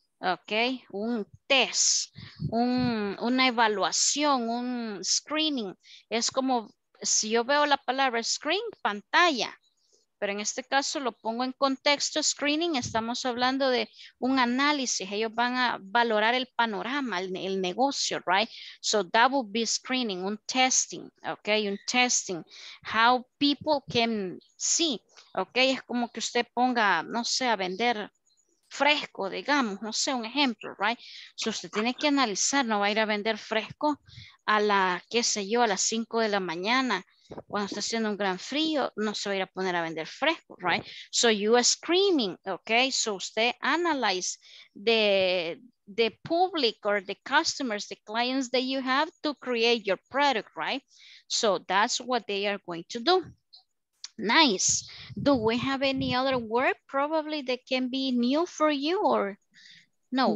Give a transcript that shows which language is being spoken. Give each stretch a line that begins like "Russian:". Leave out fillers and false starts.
Spanish: Okay, un test, una evaluación, un screening. Es como si yo veo la palabra screen, pantalla, pero en este caso lo pongo en contexto, screening, estamos hablando de un análisis. Ellos van a valorar el panorama, el negocio,
English: right? So that would be screening, un testing, okay, un testing. How people can see,
Spanish: okay, es como que usted ponga, no sé, a vender fresco, digamos, no sé, un ejemplo,
English: right?
Spanish: So usted tiene que analizar, no va a ir a vender fresco a la, qué sé yo, a las 5 de la mañana, cuando está haciendo un gran frío, no se va a ir a poner a vender fresco,
English: right? So you are screaming, okay? So usted analyze the public or the customers, the clients that you have to create your product, right? So that's what they are going to do. Nice. Do we have any other work probably that can be new for you or no?